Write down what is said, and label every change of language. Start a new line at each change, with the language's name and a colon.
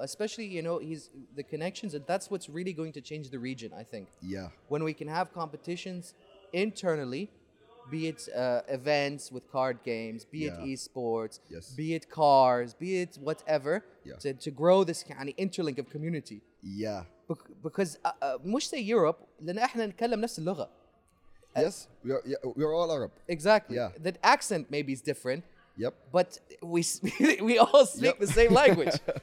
English: Especially, you know, he's the connections, and that's what's really going to change the region, I think. Yeah. When we can have competitions internally, be it events with card games, be it esports, yes, be it cars, be it whatever, yeah, to grow this kind of interlink of community. Yeah. Because
Arabic: مش
English: say Europe,
Arabic: لأن إحنا نتكلم نفس اللغة.
English: Yes, we're all Arab. Exactly. Yeah. That accent maybe is different. Yep. But we all speak the same language.